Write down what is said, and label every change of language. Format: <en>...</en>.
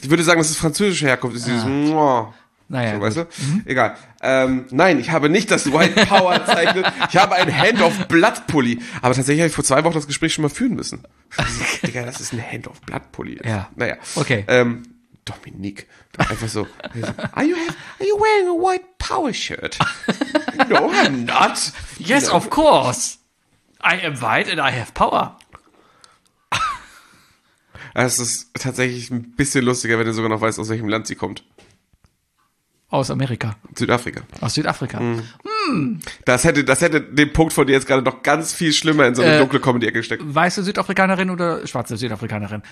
<de>Ich würde sagen, das ist französische Herkunft. Ist dieses Mwah. Naja, so, weißt du? Egal. Nein, ich habe nicht das White Power Zeichen. Ich habe ein Hand of Blood Pulli. Aber tatsächlich habe ich vor 2 Wochen das Gespräch schon mal führen müssen. Digga, das ist ein Hand of Blood Pulli. Ja. Naja. Okay. Dominik. Einfach so.</de> <en>Are you wearing a White Power Shirt? No, I'm not. Yes, you know, of course. I am white and I have power.</en> <de>Es ist tatsächlich ein bisschen lustiger, wenn du sogar noch weißt, aus welchem Land sie kommt. Aus Amerika. Südafrika. Aus Südafrika. Mm. Das hätte den Punkt von dir jetzt gerade noch ganz viel schlimmer in so eine dunkle Comedy-Ecke gesteckt. Weiße Südafrikanerin oder schwarze Südafrikanerin?</de>